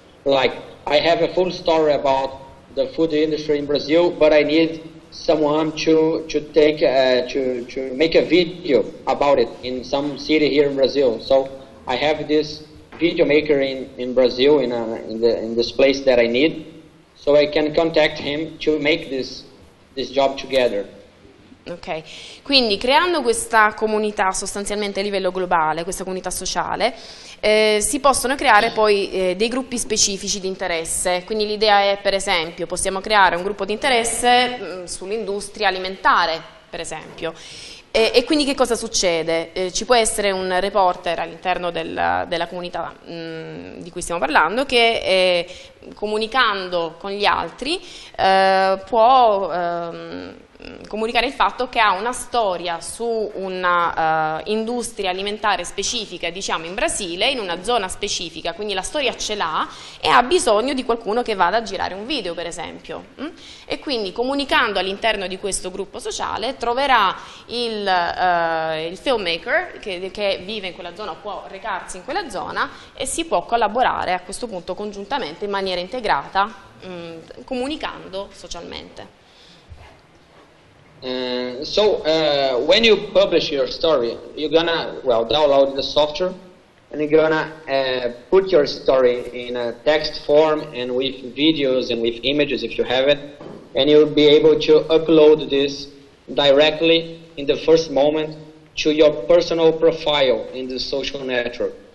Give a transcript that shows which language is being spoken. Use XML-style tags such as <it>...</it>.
<en>Like, I have a full story about the food industry in Brazil, but I need someone to make a video about it in some city here in Brazil. So I have this video maker in Brazil in this place that I need, so I can contact him to make this job together.</en> <it>Ok, quindi creando questa comunità sostanzialmente a livello globale, questa comunità sociale, si possono creare poi dei gruppi specifici di interesse. Quindi l'idea è, per esempio, possiamo creare un gruppo di interesse sull'industria alimentare, per esempio. E quindi che cosa succede? Ci può essere un reporter all'interno della comunità di cui stiamo parlando che comunicando con gli altri può comunicare il fatto che ha una storia su una industria alimentare specifica, diciamo in Brasile, in una zona specifica, quindi la storia ce l'ha e ha bisogno di qualcuno che vada a girare un video, per esempio. E quindi comunicando all'interno di questo gruppo sociale troverà il filmmaker che vive in quella zona, può recarsi in quella zona e si può collaborare a questo punto congiuntamente in maniera integrata, comunicando socialmente.</it> <en>So when you publish your story, you're gonna download the software, and you're gonna put your story in a text form and with videos and with images if you have it, and you'll be able to upload this directly in the first moment to your personal profile in the social network.</en>